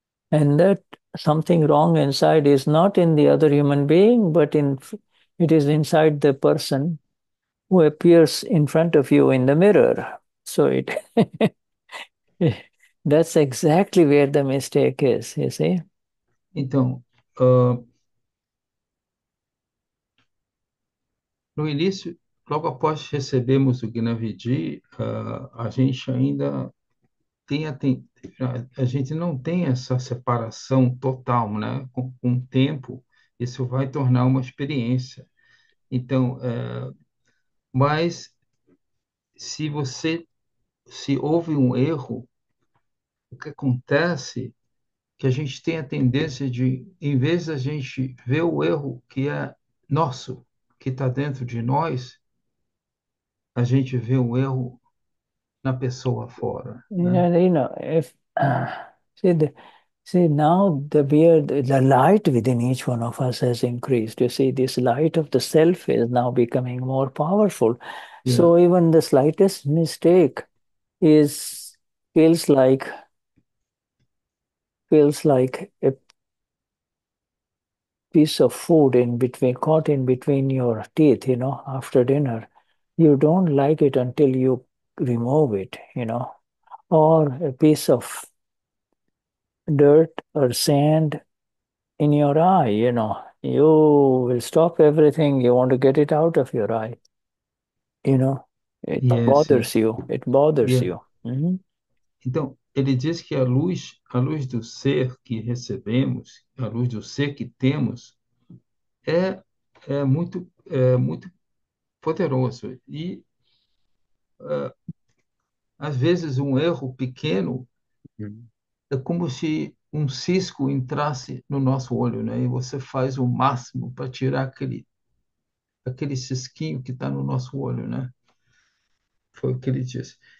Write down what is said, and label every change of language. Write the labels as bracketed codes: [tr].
[en] And that something wrong inside is not in the other human being, but in it is inside the person who appears in front of you in the mirror. So it that's exactly where the mistake is, you see. [pt] Então, no início, logo após recebermos o Gnavidi, a gente ainda a gente não tem essa separação total, né? Com o tempo, isso vai tornar uma experiência. Então, mas se você se houve um erro, o que acontece? Que a gente tem a tendência de, em vez da gente ver o erro que é nosso, que está dentro de nós, a gente vê o erro na pessoa fora, né? [en] If see now the beard, the light within each one of us has increased. You see, this light of the self is now becoming more powerful. So even the slightest mistake is feels like a piece of food in between, caught in between your teeth, you know, after dinner. You don't like it until you remove it, you know. Or a piece of dirt or sand in your eye, you know. You will stop everything. You want to get it out of your eye. You know, it bothers you. It bothers you. [pt] Então, ele diz que a luz do ser que recebemos, a luz do ser que temos, é muito poderoso. E às vezes um erro pequeno é como se um cisco entrasse no nosso olho, né? E você faz o máximo para tirar aquele cisquinho que está no nosso olho, né? Foi o que ele disse.